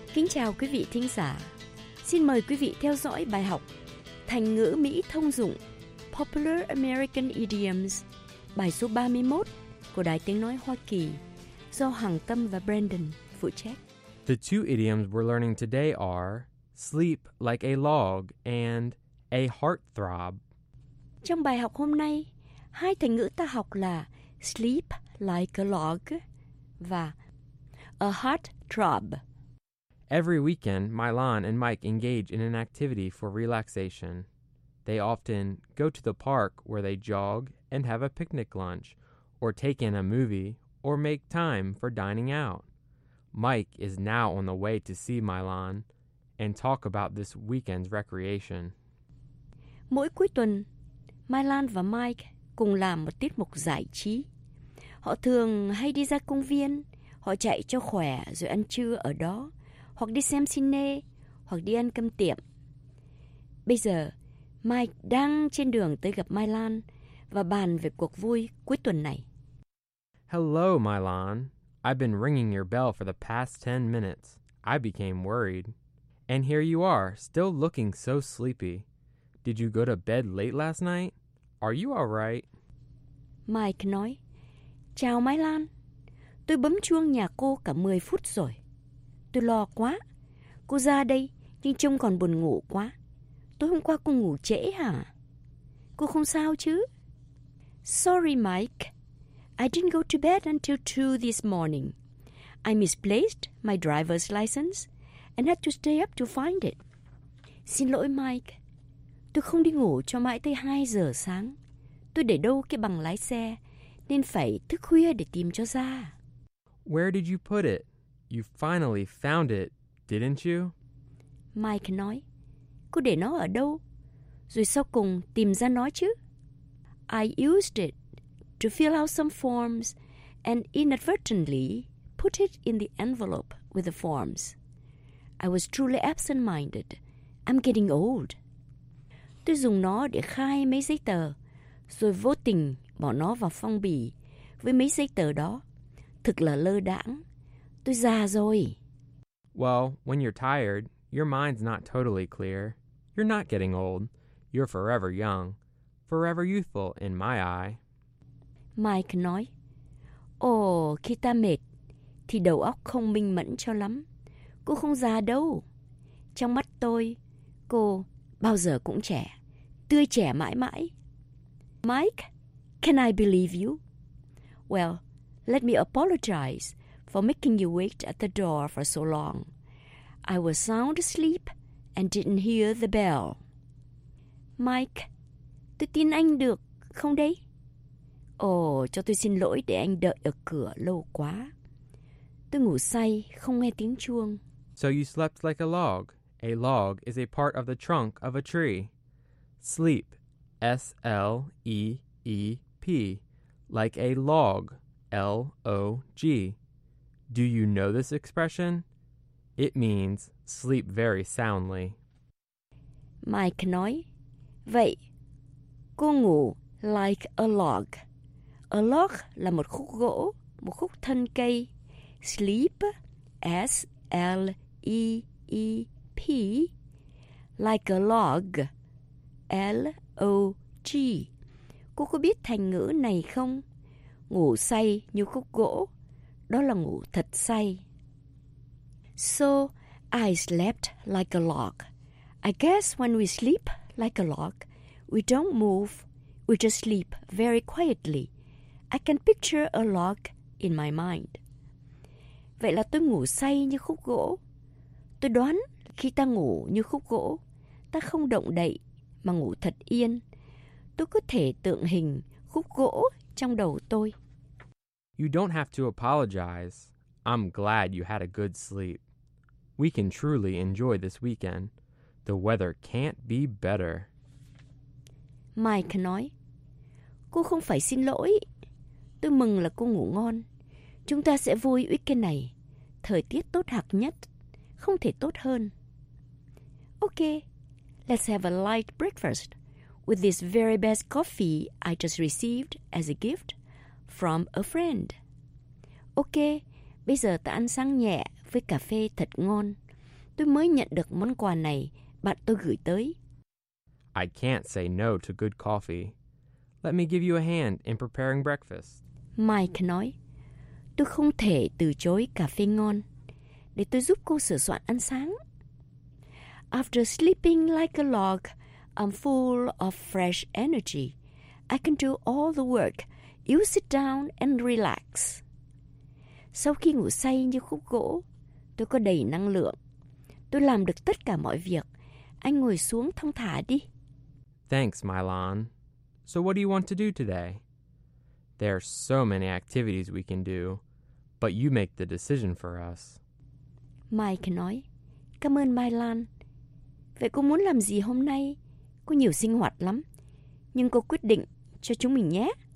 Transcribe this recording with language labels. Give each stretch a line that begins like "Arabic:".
Vietnamese: Chào quý vị thính giả. Xin mời quý vị theo dõi bài học Thành ngữ Mỹ thông dụng
English: Popular American Idioms,
Vietnamese: bài số 31 của Đài Tiếng nói Hoa Kỳ do Hằng Tâm và Brandon phụ trách.
English: The two idioms we're learning today are sleep like a log and a heartthrob.
Vietnamese: Trong bài học hôm nay, hai thành ngữ ta học là
English: sleep like a log
Vietnamese: và
English: a heartthrob. Every weekend, Mylon and Mike engage in an activity for relaxation. They often go to the park where they jog and have a picnic lunch, or take in a movie, or make time for dining out. Mike is now on the way to see Milan and talk about this weekend's recreation.
Vietnamese: Mỗi cuối tuần, Milan và Mike cùng làm một tiết mục giải trí. Họ thường hay đi ra công viên, họ chạy cho khỏe rồi ăn trưa ở đó, hoặc đi xem cine, hoặc đi ăn cơm tiệm. Bây giờ, Mike đang trên đường tới gặp Milan và bàn về cuộc vui cuối tuần này.
English: Hello, Milan. I've been ringing your bell for the past 10 minutes. I became worried. And here you are, still looking so sleepy. Did you go to bed late last night? Are you all right?
Vietnamese: Mike nói, Chào Milan. Tôi bấm chuông nhà cô cả 10 phút rồi. Tôi lo quá. Cô ra đây, nhưng trông còn buồn ngủ quá. Tối hôm qua cô ngủ trễ hả? Cô không sao chứ?
English: Sorry, Mike. I didn't go to bed until 2 this morning. I misplaced my driver's license and had to stay up to find it.
Vietnamese: Xin lỗi, Mike. Tôi không đi ngủ cho mãi tới 2 giờ sáng. Tôi để đâu cái bằng lái xe, nên phải thức khuya để tìm cho ra.
English: Where did you put it? You finally found it, didn't you?
Vietnamese: Mike nói. Cô để nó ở đâu? Rồi sau cùng tìm ra nó chứ?
English: I used it to fill out some forms and inadvertently put it in the envelope with the forms. I was truly absent-minded. I'm getting old.
Vietnamese: Tôi dùng nó để khai mấy giấy tờ, rồi vô tình bỏ nó vào phong bì với mấy giấy tờ đó. Thực là lơ đãng. Tôi già rồi.
English: Well, when you're tired, your mind's not totally clear. You're not getting old. You're forever young. Forever youthful in my eye.
Vietnamese: Mike nói, Ồ, khi ta mệt, thì đầu óc không minh mẫn cho lắm. Cô không già đâu. Trong mắt tôi, cô bao giờ cũng trẻ. Tươi trẻ mãi mãi.
English: Mike, can I believe you? Well, let me apologize for making you wait at the door for so long. I was sound asleep and didn't hear the bell.
Vietnamese: Mike, tôi tin anh được, không đấy? Ồ, cho tôi xin lỗi để anh đợi ở cửa lâu quá. Tôi ngủ say, không nghe tiếng chuông.
English: So you slept like a log. A log is a part of the trunk of a tree. Sleep, S-L-E-E-P, like a log, L-O-G. Do you know this expression? It means sleep very soundly.
Vietnamese: Mike nói, Vậy, cô ngủ
English: like a log. A log
Vietnamese: là một khúc gỗ, một khúc thân cây.
English: Sleep, S-L-E-E-P, like a log, L-O-G.
Vietnamese: Cô có biết thành ngữ này không? Ngủ say như khúc gỗ, đó là ngủ thật say.
English: So, I slept like a log. I guess when we sleep like a log, we don't move, we just sleep very quietly. I can picture a log in my mind.
Vietnamese: Vậy là tôi ngủ say như khúc gỗ. Tôi đoán khi ta ngủ như khúc gỗ, ta không động đậy mà ngủ thật yên. Tôi có thể tượng hình khúc gỗ trong đầu tôi.
English: You don't have to apologize. I'm glad you had a good sleep. We can truly enjoy this weekend. The weather can't be better.
Vietnamese: Mike nói, Cô không phải xin lỗi. Tôi mừng là cô ngủ ngon. Chúng ta sẽ vui weekend này. Thời tiết tốt hạc nhất. Không thể tốt hơn.
English: Okay, let's have a light breakfast with this very best coffee I just received as a gift from a friend.
Vietnamese: Okay, bây giờ ta ăn sáng nhẹ với cà phê thật ngon. Tôi mới nhận được món quà này bạn tôi gửi tới.
English: I can't say no to good coffee. Let me give you a hand in preparing breakfast.
Vietnamese: Mike nói, Tôi không thể từ chối cà phê ngon. Để tôi giúp cô sửa soạn ăn sáng.
English: After sleeping like a log, I'm full of fresh energy. I can do all the work. You sit down and relax.
Vietnamese: Sau khi ngủ say như khúc gỗ, tôi có đầy năng lượng. Tôi làm được tất cả mọi việc. Anh ngồi xuống thong thả đi.
English: Thanks, Milan. So what do you want to do today? There are so many activities we can do, but you make the decision for us.
Vietnamese: Mike nói, cảm ơn Mai Lan. Vậy cô muốn làm gì hôm nay? Cô nhiều sinh hoạt lắm. Nhưng cô quyết định cho chúng mình nhé.